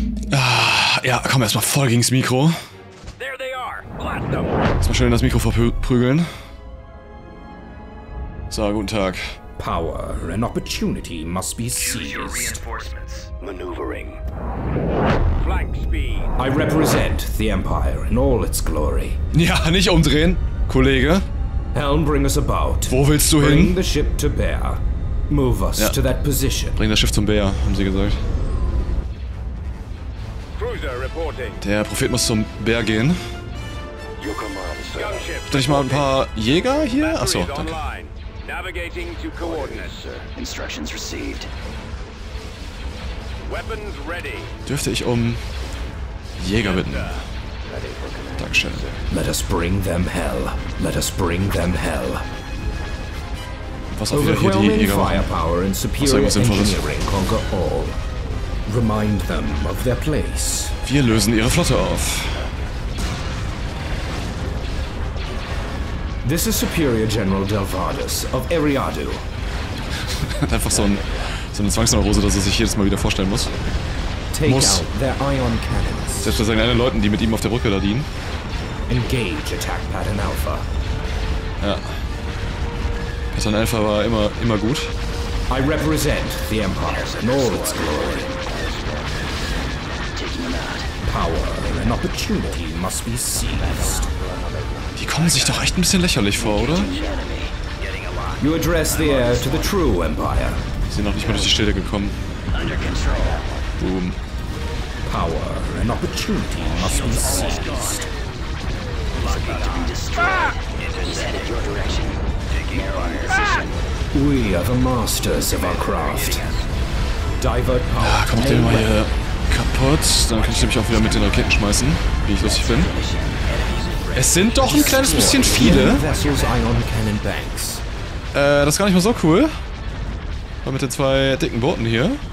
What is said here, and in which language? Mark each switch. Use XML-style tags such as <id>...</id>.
<de>Ah, ja, komm erstmal voll gegen das Mikro. Erstmal schön in das Mikro verprügeln. So, guten Tag.</de> <en>Power and opportunity must be seized. Maneuvering. Flank speed. I represent the Empire in all its glory.</en> <de>Ja, nicht umdrehen, Kollege.</de> <en>Helm, bring us about.</en> <de>Wo willst du</de> <en>bring</en> <de>hin?</de> <en>Bring the ship to bear. Move us to that position.</en> <de>Bring das Schiff zum Bär, haben sie gesagt.</de> <en>Cruiser reporting.</en> <de>Der Prophet muss zum Bär gehen.</de> <en>Your command, sir. Gunship.</en> <de>Darf ich mal ein paar Jäger hier? Achso, danke.</de> <en>Navigating to coordinates, sir. Instructions received. Weapons ready.</en> <de>Dürfte ich um Jäger bitten? Dankeschön.</de> <en>Let us bring them hell. Let us bring them hell.</en> <de>Was auch wieder hier die Jäger</de> <en>firepower and superior engineering conquer all. Remind them of their place.</en> <de>Wir lösen ihre Flotte auf.</de> <en>This is Superior General Delvardus of Eriadu.</en> <de>Einfach so eine Zwangsneurose, dass er sich jedes Mal wieder vorstellen muss.</de> <en>Take</en> <de>muss.</de> <en>Out their ion cannons.</en> <de>Selbst bei seinen Leuten, die mit ihm auf der Brücke da dienen.</de> <en>Engage Attack Pattern Alpha.</en> <de>Ja. Pattern Alpha war immer gut.</de> <en>I represent the Empire in all its glory. Power and opportunity must be seized.</en> <de>Die kommen sich doch echt ein bisschen lächerlich vor, oder?</de> <en>You address the air to the true empire.</en> <de>Die sind noch nicht mal durch die Städte gekommen. Boom.</de> <en>Power and opportunity must be seized. We are the masters of our craft. Divert power.</en> <de>Komm, mach den mal hier kaputt. Dann kann ich nämlich auch wieder mit den Raketen schmeißen, wie ich lustig bin. Es sind doch ein kleines bisschen viele. Das ist gar nicht mal so cool. Aber mit den zwei dicken Booten hier.</de>